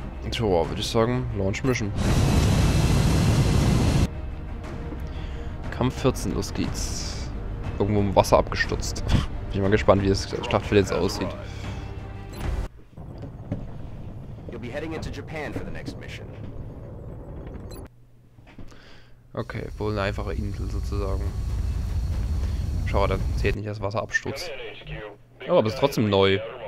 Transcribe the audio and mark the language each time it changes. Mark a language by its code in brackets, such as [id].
[de] So, würde ich sagen, Launch Mission. Kampf 14, los geht's. Irgendwo im Wasser abgestürzt. Bin mal gespannt, wie das Schlachtfeld jetzt aussieht. [en] You'll be heading into Japan for the next mission. [de] Okay, wohl eine einfache Insel sozusagen. Schau, da zählt nicht das Wasserabsturz. Ja, aber es ist trotzdem neu.